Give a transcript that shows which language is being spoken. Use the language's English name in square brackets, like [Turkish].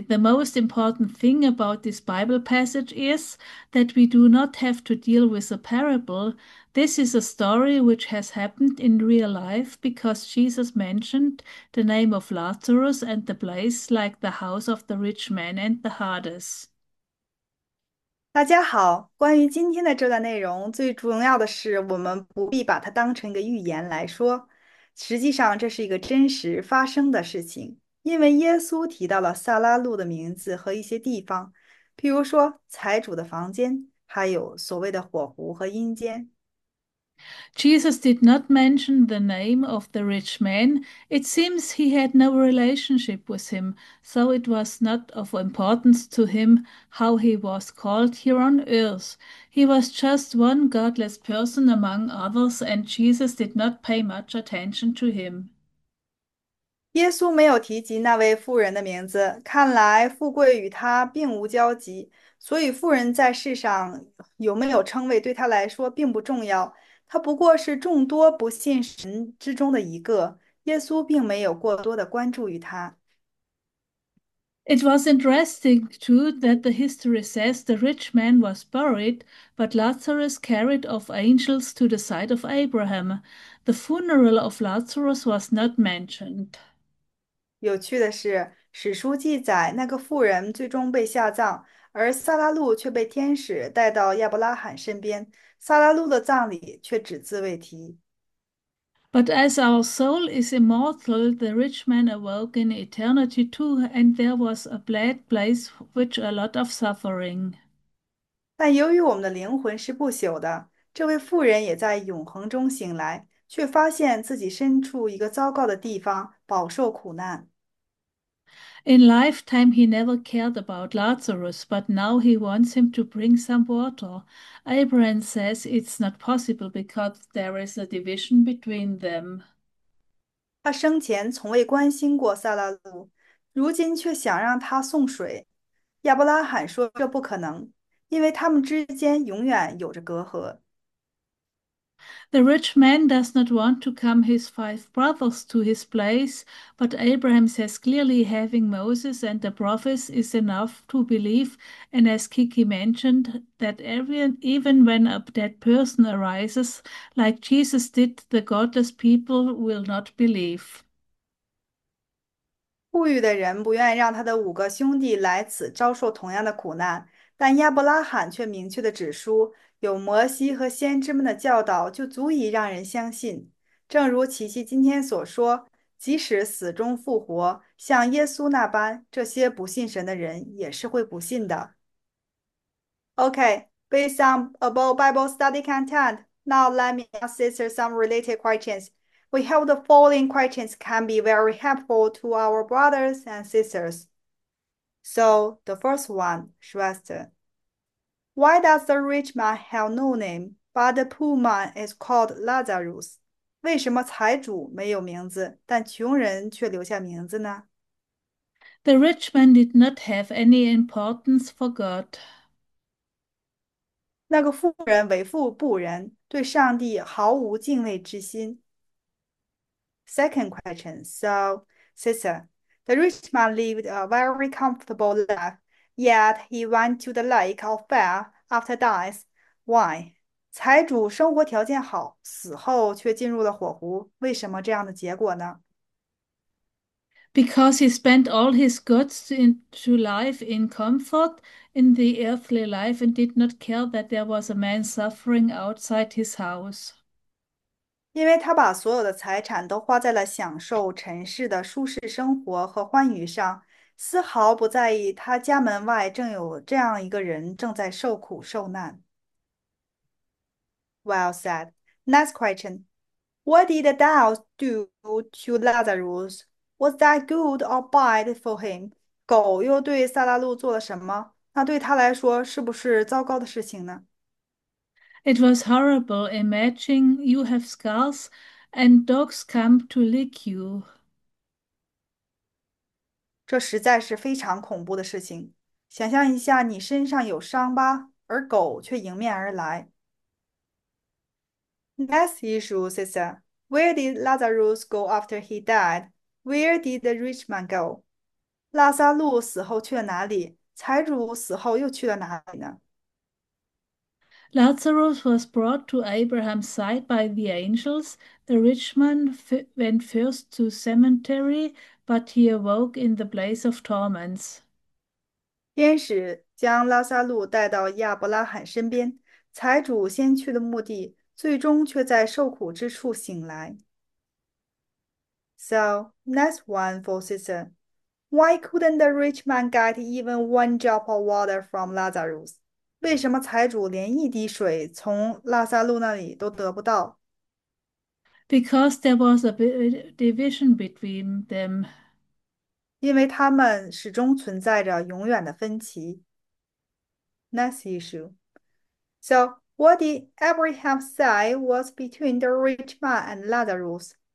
[English] The most important thing about this Bible passage is that we do not have to deal with a parable. This is a story which has happened in real life because Jesus mentioned the name of Lazarus and the place like the house of the rich man and the Hades. [Chinese] 大家好，关于今天的这段内容，最重要的是我们不必把它当成一个寓言来说。实际上，这是一个真实发生的事情，因为耶稣提到了撒拉路的名字和一些地方，比如说财主的房间，还有所谓的火湖和阴间。 [English] Jesus did not mention the name of the rich man. It seems he had no relationship with him, so it was not of importance to him how he was called here on earth. He was just one godless person among others, and Jesus did not pay much attention to him. [Chinese] 耶稣没有提及那位富人的名字，看来富贵与他并无交集，所以富人在世上有没有称谓对他来说并不重要，他不过是众多不信神之中的一个，耶稣并没有过多的关注于他。 [English] It was interesting, too, that the history says the rich man was buried, but Lazarus carried off angels to the side of Abraham. The funeral of Lazarus was not mentioned. [Chinese] 有趣的是，史书记载那个妇人最终被下葬，而撒拉路却被天使带到亚伯拉罕身边，撒拉路的葬礼却只字未提。 [English] But as our soul is immortal, the rich man awoke in eternity too, and there was a bad place which a lot of suffering. [Chinese] 但由于我们的灵魂是不朽的，这位妇人也在永恒中醒来。却发现自己身处一个糟糕的地方，饱受苦难。 [English] In lifetime, he never cared about Lazarus, but now he wants him to bring some water. Abraham says it's not possible because there is a division between them. [Chinese] 他生前从未关心过萨拉鲁，如今却想让他送水。亚伯拉罕说这不可能，因为他们之间永远有着隔阂。 [English] The rich man does not want to come his five brothers to his place, but Abraham says clearly having Moses and the prophets is enough to believe, and as Kiki mentioned, that even when a dead person arises, like Jesus did, the godless people will not believe. [Chinese] 富裕的人不愿意让他的五个兄弟来此遭受同样的苦难，但亚伯拉罕却明确地指出，有摩西和先知们的教导就足以让人相信。正如琪琪今天所说，即使死中复活，像耶稣那般，这些不信神的人也是会不信的。 [English] OK，based on above Bible study content, now let me answer some related questions. We hope the following questions can be very helpful to our brothers and sisters. So, the first one, Shrestha. Why does the rich man have no name, but the poor man is called Lazarus? [Chinese] 为什么财主没有名字，但穷人却留下名字呢？ [English] The rich man did not have any importance for God. [Chinese] 那个富人为富不仁，对上帝毫无敬畏之心。 [English] Second question. So, sister, the rich man lived a very comfortable life, yet he went to the lake of fire after dying. Why? [Chinese] 财主生活条件好，死后却进入了火湖，为什么这样的结果呢？ [English] Because he spent all his goods into life in comfort in the earthly life and did not care that there was a man suffering outside his house. [Chinese] 因为他把所有的财产都花在了享受尘世的舒适生活和欢愉上，丝毫不在意他家门外正有这样一个人正在受苦受难。 [English] Well said. Next question. What did the devil do to Lazarus? Was that good or bad for him? [Chinese] 狗又对萨拉路做了什么？那对他来说是不是糟糕的事情呢？ [English] It was horrible. Imagine you have scars and dogs come to lick you. [Chinese] 这实在是非常恐怖的事情。想象一下，你身上有伤疤，而狗却迎面而来。 [English] Next issue, sister. Where did Lazarus go after he died? Where did the rich man go? [Chinese] 拉萨路死后去了哪里？财主死后又去了哪里呢？ [English] Lazarus was brought to Abraham's side by the angels. The rich man went first to cemetery, but he awoke in the place of torments. [Chinese] 天使将拉萨路带到亚伯拉罕身边，财主先去的墓地，最终却在受苦之处醒来。 [English] So, next one for sister. Why couldn't the rich man get even one drop of water from Lazarus? [Chinese] 为什么财主连一滴水从拉萨路那里都得不到？ [English] Because there was a division between them. [Chinese] 因为他们始终存在着永远的分歧。 [English] Next issue. So, what did Abraham say was between the rich man and Lazarus?